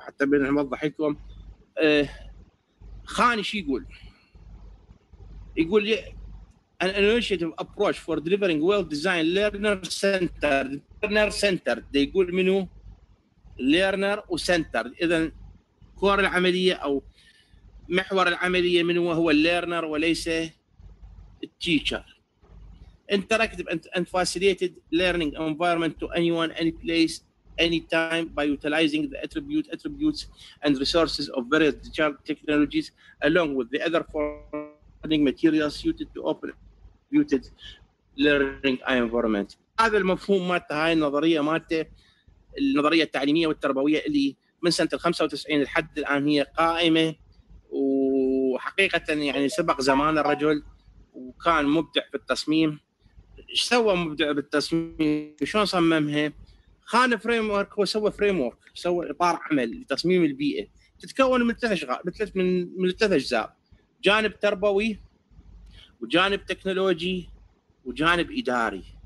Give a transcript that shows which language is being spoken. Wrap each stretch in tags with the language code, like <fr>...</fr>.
<ar>حتى بنوضح لكم خان ايش يقول لي</ar> <en>an initiative approach for delivering well-designed learner-centered.</en> <ar>دي يقول منو؟ learner وcenter. إذن كور العملية أو محور العملية منو؟ هو learner وليس teacher.</ar> <en>interactive and facilitated learning environment to anyone, any place, any time by utilizing the attributes and resources of various digital technologies along with the other learning materials suited to open muted learning environment.</en> <ar>هذا المفهوم مالته، هاي النظريه مالته، النظريه التعليميه والتربويه اللي من سنه 95 لحد الان هي قائمه، وحقيقه يعني سبق زمان الرجل، وكان مبدع في التصميم. ايش سوى مبدع بالتصميم؟ شلون صممها؟ خان فريم ورك، هو سوى فريم ورك، سوى اطار عمل لتصميم البيئه، تتكون من ثلاث اشغال، من ثلاث اجزاء، جانب تربوي وجانب تكنولوجي وجانب إداري.</ar>